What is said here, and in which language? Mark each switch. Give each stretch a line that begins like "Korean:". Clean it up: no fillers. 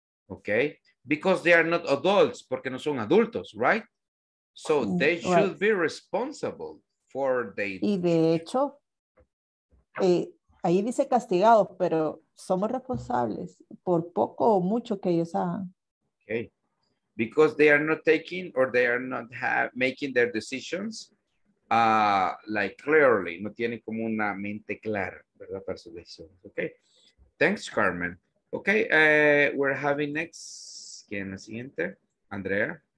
English: Okay, because they are not adults,
Spanish: porque no son adultos,
English: right? So they should be responsible for their.
Spanish: Y de hecho, ahí dice castigados, pero somos responsables por poco o mucho que ellos hagan.
English: Okay, because they are not taking or they are not making their decisions like clearly.
Spanish: No tienen como una mente clara, ¿verdad? Para su decisión.
English: Okay, thanks, Carmen. Okay, we're having next.
Spanish: ¿Quién la siguiente?
English: Andrea.